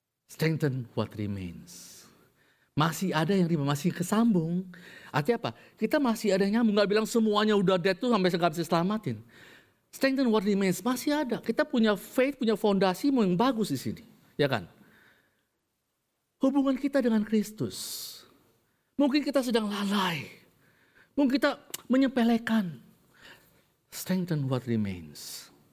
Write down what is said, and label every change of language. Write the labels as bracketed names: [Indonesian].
[English] Strengthen what remains. [Indonesian] Masih ada yang remain, masih kesambung. Artinya apa? Kita masih ada yang nyambung. Gak bilang semuanya udah dead tuh sampai gak bisa selamatin. [English] Strengthen what remains, [Indonesian] masih ada. Kita punya faith, punya fondasi yang bagus di sini. Ya kan? hubungan kita dengan Kristus. Mungkin kita sedang lalai. Mungkin kita menyepelekan. [English] Strengthen what remains.